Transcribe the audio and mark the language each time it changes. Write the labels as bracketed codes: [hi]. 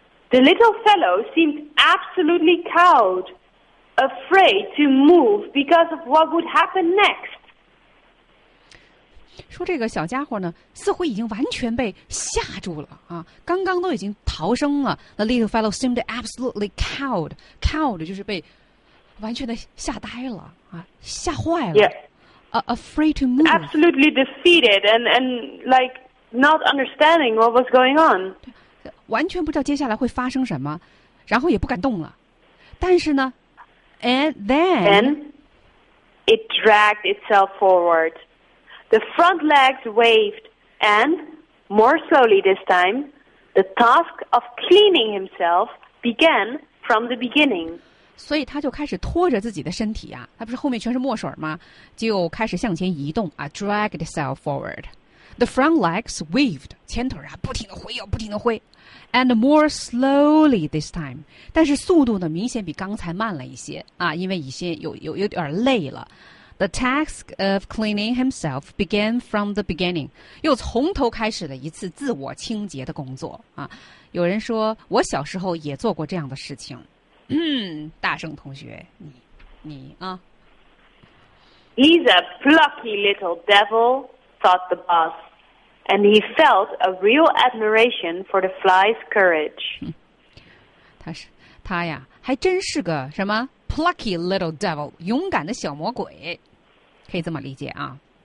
[en] The little fellow seemed absolutely cowed, afraid to move because of what would happen next. [zh] 说这个小家伙呢，似乎已经完全被吓住了啊！刚刚都已经逃生了。 [en] The little fellow seemed absolutely cowed. [zh] Cowed 就是被完全的吓呆了啊，吓坏了。 [en] Yeah. Afraid to move. Absolutely defeated and like not understanding what was going on. [zh] 完全不知道接下来会发生什么，然后也不敢动了。但是呢。 [en] And then it dragged itself forward. The front legs waved, and more slowly this time, the task of cleaning himself began from the beginning. [zh] 所以他就开始拖着自己的身体啊，他不是后面全是墨水吗？就开始向前移动啊 ， [en] dragged itself forward. The front legs waved, [zh] 前腿啊不停的挥不停的挥 ， [en] and more slowly this time. [zh] 但是速度呢明显比刚才慢了一些啊，因为已经有点累了。 The task of cleaning himself began from the beginning. 又从头开始了一次自我清洁的工作啊。有人说我小时候也做过这样的事情。大圣同学，你啊。 [en] He's a plucky little devil, thought the boss, and he felt a real admiration for the fly's courage. [zh] 他呀，还真是个什么 [en] plucky little devil, [zh] 勇敢的小魔鬼。可以这么理解啊。